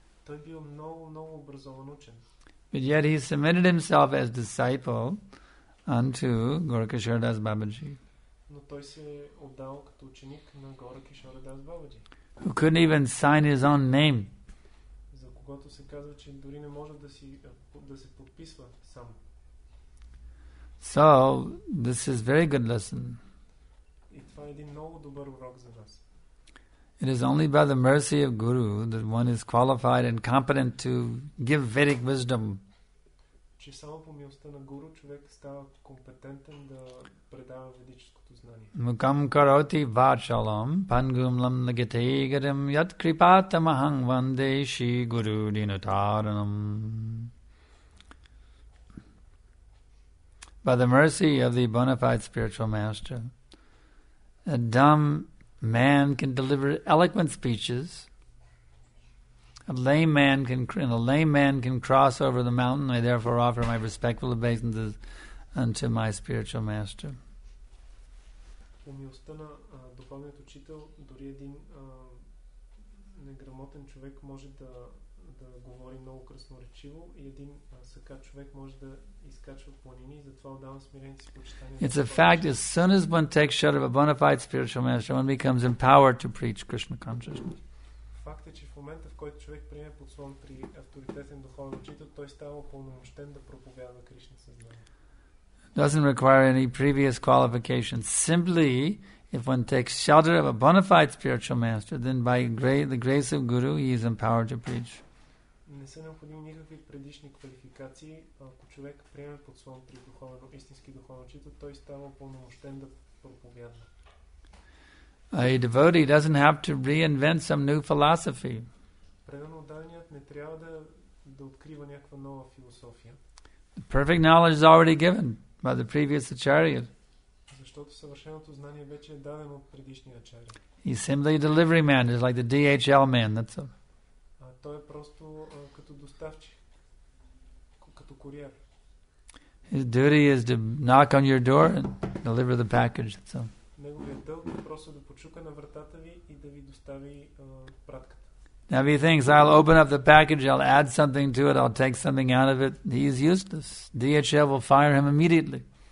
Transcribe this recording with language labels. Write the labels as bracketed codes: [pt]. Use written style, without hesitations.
[bg] Той бил много, много образован учен. [en] But yet he submitted himself as disciple unto Gaura Kishora Das Babaji. [bg] Но той се отдал като ученик на Гаура Кишора Дас Бабаджи. [en] Who couldn't even sign his own name. [bg] За когото се казва, че дори не може да се подписва сам. [en] So, this is very good lesson. [bg] И това е един много добър урок за нас. [en] It is only by the mercy of Guru that one is qualified and competent to give Vedic wisdom. [bg] Че само по милостта на Гуру човек става компетентен да предава ведическото знание. [sa] Мукам кароти вачалам пангум лам нагете гарам ят крипата махам ванде ши гуру динатаранам. [en] By the mercy of the bona fide spiritual master, a dumb man can deliver eloquent speeches. A lame man can cross over the mountain. I therefore offer my respectful obeisances unto my spiritual master. [bg] Умилостта на духовният учител, дори един неграмотен човек може да говори много красноречиво и един сакат човек може да изкачва планини, затова отдавам смирените си почитания. [en] It's a fact, as soon as one takes shelter of a bona fide spiritual master, one becomes empowered to preach Krishna consciousness. [bg] Факт е, че в момента, в който човек приеме под слон при авторитетен духовен учител, той става упълномощен да проповядва Кришна съзнание. [en] Doesn't require any previous qualifications. Simply, if one takes shelter of a bona fide spiritual master, then by the grace of Guru, he is empowered to preach. [bg] Не са необходими никакви предишни квалификации. Ако човек приеме под слон при духовен, истински духовен учител, той става упълномощен да проповядва. [en] A devotee doesn't have to reinvent some new philosophy. [bg] Предано отдаденият не трябва да открива някаква нова философия. [en] The perfect knowledge is already given by the previous acharya. [bg] Защото съвършеното знание вече е дадено от предишния ачарья. [en] He's simply a delivery man, just like the DHL man, that's all. [bg] Той е просто като доставчик, като куриер. [en] His duty is to knock on your door and deliver the package. So. [bg] Неговият дълг е просто да почука на вратата ви и да ви достави пратката. [en] Now, if he thinks, I'll open up the package, I'll add something to it, I'll take something out of it, he's useless. DHL will fire him immediately.